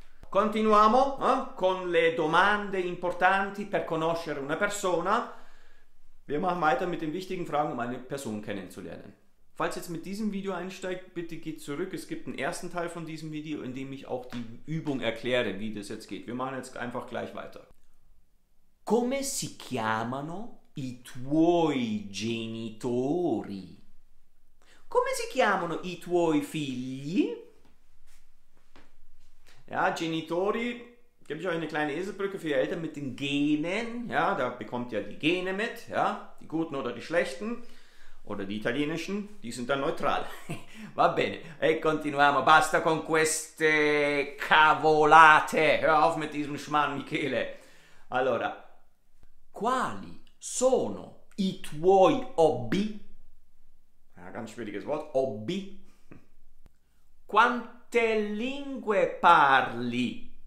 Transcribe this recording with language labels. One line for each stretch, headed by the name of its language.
Italian: Continuiamo con le domande importanti per conoscere una persona.
German: Wir machen weiter mit den wichtigen Fragen, um eine Person kennenzulernen. Falls ihr jetzt mit diesem Video einsteigt, bitte geht zurück. Es gibt einen ersten Teil von diesem Video, in dem ich auch die Übung erkläre, wie das jetzt geht. Wir machen jetzt einfach gleich weiter.
Italian: Come si chiamano i tuoi genitori? Come si chiamano i tuoi figli?
German: Ja, genitori, gebe ich euch eine kleine Eselbrücke für die Eltern mit den Genen. Ja, da bekommt ihr die Gene mit, ja, die guten oder die schlechten. Oder die italienischen, die sind dann neutral.
Italian: Va bene, e continuiamo, basta con queste cavolate.
German: Hör auf mit diesem Schmarrn, Michele.
Italian: Allora, quali sono i tuoi hobby?
German: Ja, ganz schwieriges Wort, hobby.
Italian: Quante lingue parli?